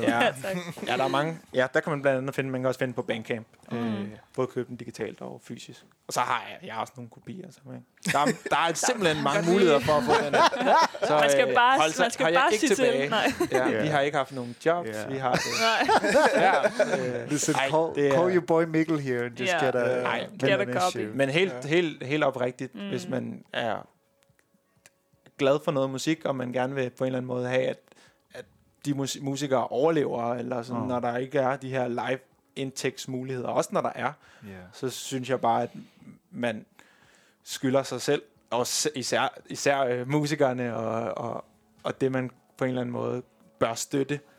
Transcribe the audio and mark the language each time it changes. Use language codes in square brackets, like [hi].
[da] Ja, tak. Ja, der er mange. Ja, der kan man blandt andet finde. Man kan også finde på Bandcamp. Både købe den digitalt og fysisk. Og så har jeg også nogle kopier. Der er simpelthen mange muligheder for at få den. Så, man skal bare sige til. Man skal bare sige til. Ja, vi har ikke haft nogen jobs. Yeah. Vi har det. Nej. [en] Listen, call your boy Mikkel here and just get a copy. [da] Men helt oprigtigt, hvis man er glad for noget musik, og man gerne vil på en eller anden måde have, at de musikere overlever, eller sådan, når der ikke er de her live indtægtsmuligheder, også når der er, så synes jeg bare, at man skylder sig selv, og især musikerne, og det, man på en eller anden måde bør støtte.